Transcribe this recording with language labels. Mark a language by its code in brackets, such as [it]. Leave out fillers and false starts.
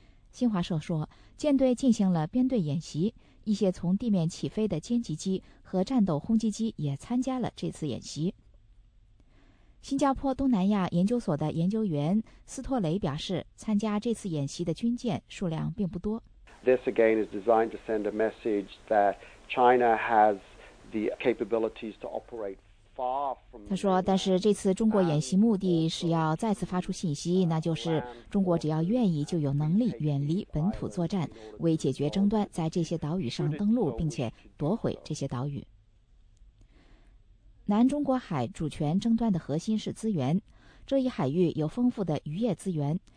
[zh] 新华社说，舰队进行了编队演习，一些从地面起飞的歼击机和战斗轰击机也参加了这次演习。新加坡东南亚研究所的研究员斯托雷表示，参加这次演习的军舰数量并不多。 [en] This again is designed to send a message that China has the capabilities to operate far from. [zh] 他说，但是这次中国演习目的是要再次发出信息，那就是中国只要愿意就有能力远离本土作战，为解决争端在这些岛屿上登陆并且夺回这些岛屿。南中国海主权争端的核心是资源，这一海域有丰富的渔业资源。